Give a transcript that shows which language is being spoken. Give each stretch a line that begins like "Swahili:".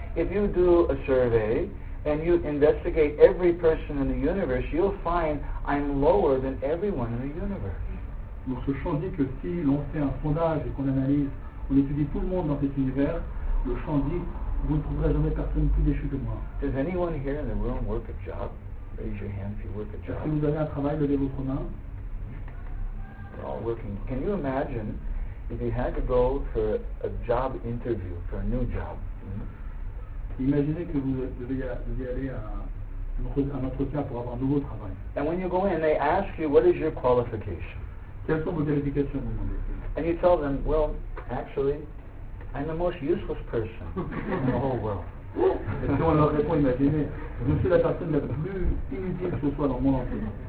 English: If you do a survey and you investigate every person in the universe, you'll find I'm lower than everyone in the universe.
French: Donc ce chant dit que si l'on fait un sondage et qu'on analyse, on étudie tout le monde dans cet univers, le chant dit. Vous ne trouverez jamais personne plus déchu que moi.
English: Does anyone here in the room work a job? Raise your hand if you work a job.
French: Si vous avez un travail, levez votre main.
English: We're all working. Can you imagine if you had to go for a job interview for a new job?
French: Imaginez que vous deviez aller à un entretien pour avoir un nouveau travail.
English: And when you go in, they ask you, what is your qualification?
French: Quelles sont vos qualifications, vous demandez?
English: And you tell them, well, actually. I'm the most useless person in the whole world.
French: Si on leur répond, imaginez, je suis la personne la plus inutile que ce soit dans mon entier.